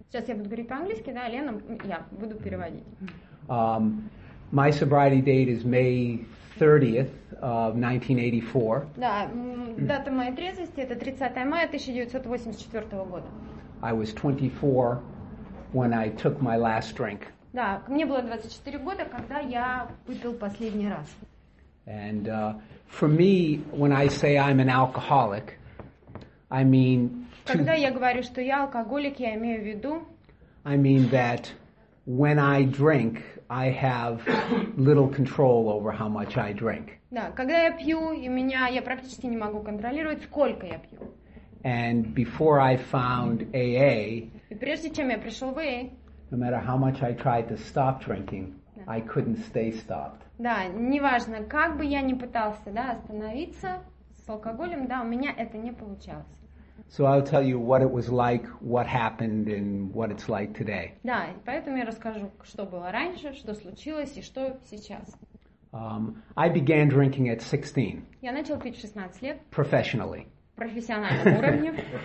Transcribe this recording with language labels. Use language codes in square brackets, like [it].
[ru] Сейчас я буду говорить по-английски, да, Лена, я буду переводить. [en] My sobriety date is May 30th of 1984. [ru] Да, дата моей трезвости — это 30 мая 1984 года. [en] I was 24 when I took my last drink. [ru] Да, мне было 24 года, когда я выпил последний раз. [en] And for me, when I say I'm an alcoholic, I mean... [ru] Когда я говорю, что я алкоголик, я имею в виду... [en] I mean that when I drink, I have little control over how much I drink. [ru] Да, когда я пью, я практически не могу контролировать, сколько я пью. [en] And before I found AA... [ru] И прежде чем я пришел в AA... [en] No matter how much I tried to stop drinking, I couldn't stay stopped. [ru] Да, неважно, как бы я ни пытался, да, остановиться с алкоголем, да, у меня это не получалось. [en] So I'll tell you what it was like, what happened, and what it's like today. [ru] Да, поэтому я расскажу, что было раньше, что случилось и что сейчас. [en] I began drinking at 16. [ru] Я начал пить в 16 лет. [en] Professionally. [ru] Профессиональном уровне.